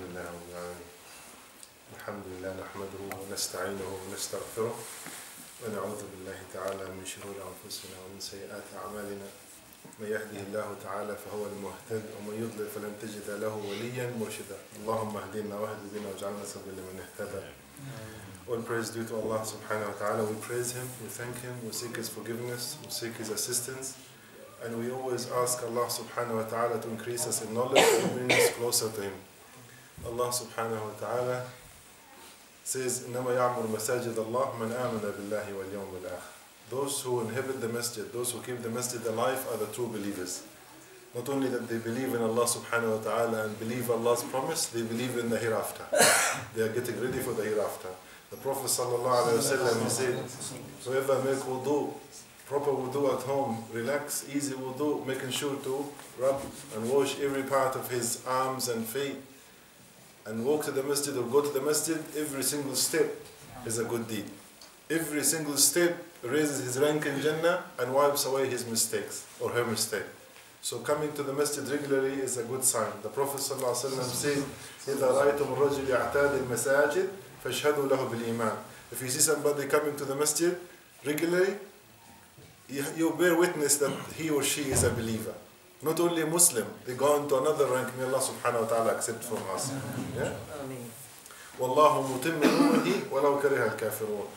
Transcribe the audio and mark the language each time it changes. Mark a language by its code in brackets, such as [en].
[ar] Alhamdulillah, نحمده ونستعينه ونستغفره ونعوذ بالله تعالى من شرور أنفسنا ومن سيئات أعمالنا من يهده الله تعالى فهو المهتد ومن يضلل فلن تجد له وليا مرشدا اللهم اهدنا واهد بنا واجعلنا سبيلا لمن اهتدى. [en] All praise due to Allah subhanahu wa ta'ala. We praise Him, we thank Him, we seek His forgiveness, we seek His assistance, and we always ask Allah subhanahu wa ta'ala to increase us in knowledge and bring us closer to Him. Allah subhanahu wa ta'ala says, [ar] إِنَّمَا يَعْمُرُ مَسَاجِدَ اللَّهِ مَنْ آمَنَ بِاللَّهِ وَالْيَوْمِ الْآخِرِ. [en] Those who inhabit the masjid, those who keep the masjid alive, are the true believers. Not only that they believe in Allah subhanahu wa ta'ala and believe Allah's promise, they believe in the hereafter. They are getting ready for the hereafter. The Prophet sallallahu alayhi wa sallam, he said, whoever make wudu, proper wudu at home, relax, easy wudu, making sure to rub and wash every part of his arms and feet, and walk to the masjid or go to the masjid, every single step is a good deed. Every single step raises his rank in Jannah and wipes away his mistakes or her mistake. So coming to the masjid regularly is a good sign. The Prophet said, [ar] إِذَا رَأَيْتُمُ الرَّجُلَ يَعْتَادِ الْمَسَاجِدِ فَاشْهَدُوا لَهُ بِالْإِيمَانِ. [en] If you see somebody coming to the masjid regularly, you bear witness that he or she is a believer. Not only a Muslim, they go on to another rank, may Allah subhanahu wa ta'ala accept from us. [ar] وَاللَّهُ مُتِمِّ نُورِهِ وَلَوْ كَرِهَ الْكَافِرُونَ.